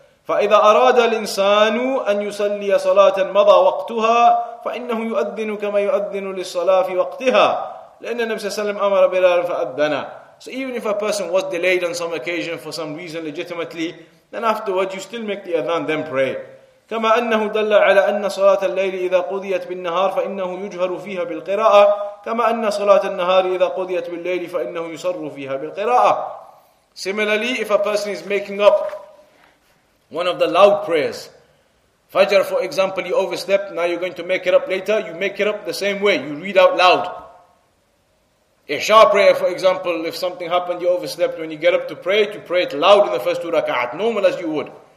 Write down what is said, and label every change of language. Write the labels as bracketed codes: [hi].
[ar] فَإِذَا أَرَادَ الْإِنسَانُ أَنْ يُسَلِّيَ صَلَاةً مَضَى وَقْتُهَا فَإِنَّهُ يُؤَذِّنُ كَمَا يُؤَذِّنُ لِلصَّلَاةِ فِي وَقْتِهَا لَأَنَّ النَّبِيَّ صَلَّى اللَّهُ عَلَيْهِ وَسَلَّمَ أَمَرَ بِلَالًا فَأَذَّنَ. [en] So even if a person was delayed on some occasion for some reason legitimately, then afterwards you still make the adhan, then pray. [ar] كما أنه دل على أن صلاة الليل إذا قضيت بالنهار فإنه يجهر فيها بالقراءة كما أن صلاة النهار إذا قضيت بالليل فإنه يسر فيها بالقراءة. [en] Similarly, if a person is making up one of the loud prayers, Fajr for example, you overstepped, now you're going to make it up later, you make it up the same way, you read out loud. Isha prayer for example, if something happened, you overslept, when you get up to pray it, you pray it loud in the first two rak'at, normal as you would.